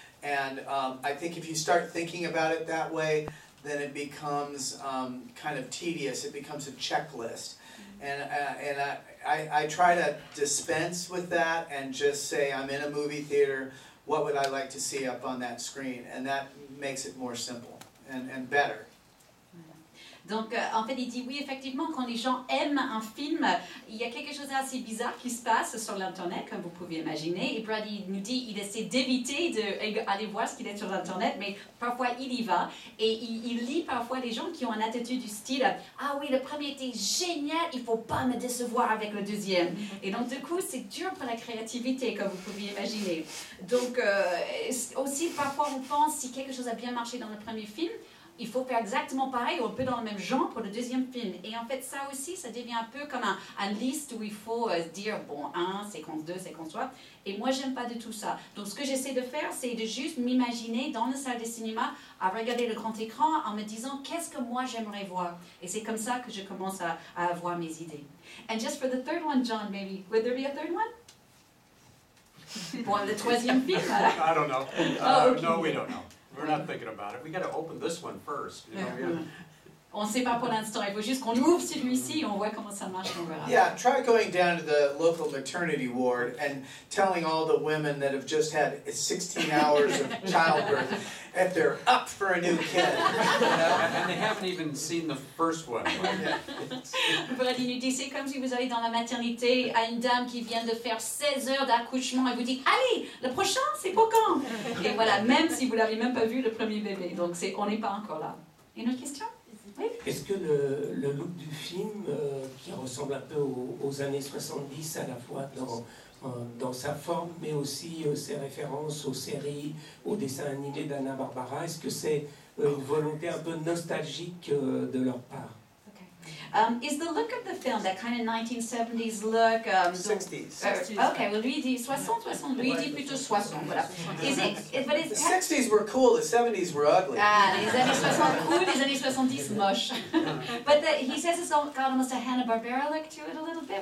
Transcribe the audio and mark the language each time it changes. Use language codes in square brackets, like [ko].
[en] And I think if you start thinking about it that way, then it becomes kind of tedious. It becomes a checklist. And I try to dispense with that and just say, I'm in a movie theater, what would I like to see up on that screen? And that makes it more simple and better. [fr] Donc, en fait, il dit oui, effectivement, quand les gens aiment un film, il y a quelque chose d'assez bizarre qui se passe sur l'Internet, comme vous pouvez imaginer. Et Brady nous dit qu'il essaie d'éviter d'aller voir ce qu'il est sur l'Internet, mais parfois il y va. Et il lit parfois les gens qui ont une attitude du style « Ah oui, le premier était génial, il ne faut pas me décevoir avec le deuxième. » Et donc, du coup, c'est dur pour la créativité, comme vous pouvez imaginer. Donc, aussi, parfois, on pense si quelque chose a bien marché dans le premier film, il faut faire exactement pareil ou un peu dans le même genre pour le deuxième film. Et en fait, ça aussi, ça devient un peu comme un liste où il faut dire, bon, un, séquence 2, séquence 3. Et moi, j'aime pas du tout ça. Donc, ce que j'essaie de faire, c'est de juste m'imaginer dans la salle de cinéma à regarder le grand écran en me disant, qu'est-ce que moi, j'aimerais voir? Et c'est comme ça que je commence à avoir mes idées. [en] And just for the third one, John, maybe, would there be a third one? [fr] Pour le troisième film? [en] I don't know. Okay. No, we don't know. We're not thinking about it. We got to open this one first. [fr] On ne sait pas pour l'instant. Il faut juste qu'on ouvre celui-ci et on voit comment ça marche. On verra. [en] Yeah, try going down to the local maternity ward and telling all the women that have just had 16 hours of childbirth that they're up for a new kid. And they haven't even seen the first one. [fr] Brady nous dit, c'est comme si vous allez dans la maternité à une dame qui vient de faire 16 heures d'accouchement et vous dit, allez, le prochain, c'est pour quand? Et voilà, même si vous l'avez même pas vu, le premier bébé. Donc, c'est, on n'est pas encore là. Une autre question? Est-ce que le look du film, qui ressemble un peu aux années 70, à la fois dans sa forme, mais aussi ses références aux séries, aux dessins animés d'Anna Barbara, est-ce que c'est une volonté un peu nostalgique de leur part? [en] Okay. Is the look of the film, that kind of 1970s look? 60s. The 60s were cool, the 70s were ugly. [fr] Les années 60 cool, les années 70 moche. [en] But he says it's got almost a Hanna-Barbera look to it a little bit.